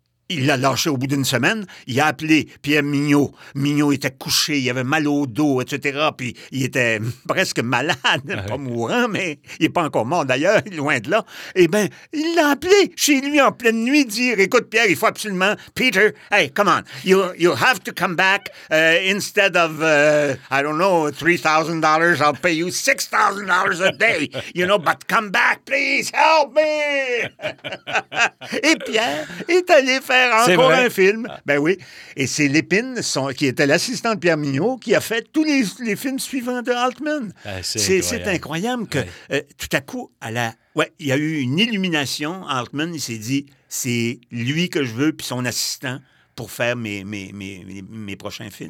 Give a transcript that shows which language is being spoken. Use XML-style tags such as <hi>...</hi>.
<fr>il l'a lâché au bout d'une semaine. Il a appelé Pierre Mignot. Mignot était couché, il avait mal au dos, etc. Puis il était presque malade, pas mourant, mais il n'est pas encore mort d'ailleurs, loin de là. Eh bien, il l'a appelé chez lui en pleine nuit, dire, écoute, Pierre, il faut absolument...</fr> <en>Peter, hey, come on, you have to come back instead of, I don't know, $3,000, I'll pay you $6,000 a day, you know, but come back, please, help me!</en> <fr>Et Pierre est allé faire encore un film. Ben oui. Et c'est Lépine, qui était l'assistant de Pierre Mignot, qui a fait tous les films suivants de Altman. Ben, c'est incroyable que tout à coup, il y a eu une illumination. Altman, il s'est dit, c'est lui que je veux, puis son assistant, pour faire mes prochains films.</fr>